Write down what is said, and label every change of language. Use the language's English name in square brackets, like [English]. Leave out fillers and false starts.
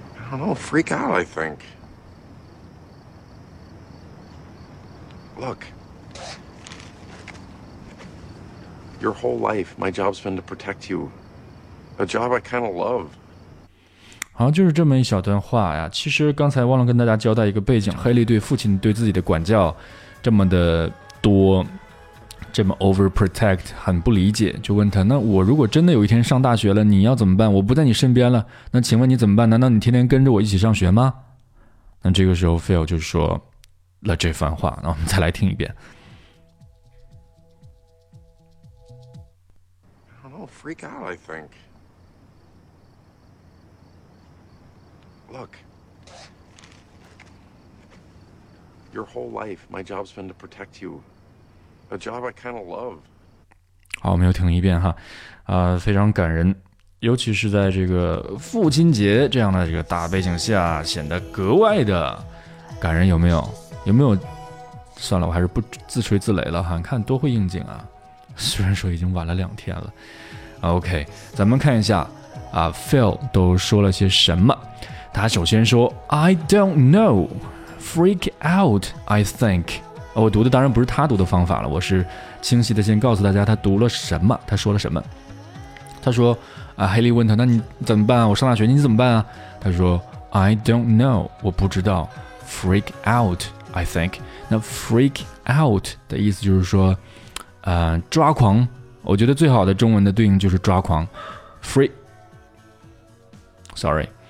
[English] I don't know, freak out, I think. Look. Your whole life, my job's been to protect you. A job I kind of love. [Chinese] 好，就是这么一小段话呀。其实刚才忘了跟大家交代一个背景，黑莉对父亲对自己的管教这么的多，这么 [English] overprotect, [Chinese] 很不理解，就问他，那我如果真的有一天上大学了，你要怎么办？我不在你身边了，那请问你怎么办？难道你天天跟着我一起上学吗？那这个时候 Phil 就说了这番话，那我们再来听一遍。 [English] I don't know, freak out, I think. Look. Your whole life, my job's been to protect you. A job I kind of love. [Chinese] 好，我们又听一遍哈，非常感人，尤其是在这个父亲节这样的这个大背景下，显得格外的感人，有没有？有没有算了，我还是不自吹自擂了哈，看多会应景啊。虽然说已经晚了两天了。 OK， 咱们看一下啊 ，Phil 都说了些什么。他首先说 [English] ，I don't know， freak out， I think。 [Chinese] 我读的当然不是他读的方法了，我是清晰的先告诉大家他读了什么，他说了什么。他说啊 ，Haley 问他，那你怎么办啊？我上大学你怎么办啊？他说 ， [English] I don't know， [Chinese] 我不知道 ，freak out。 I think 那 freak out 的意思就是说抓狂，我觉得最好的中文的对应就是抓狂 freak sorry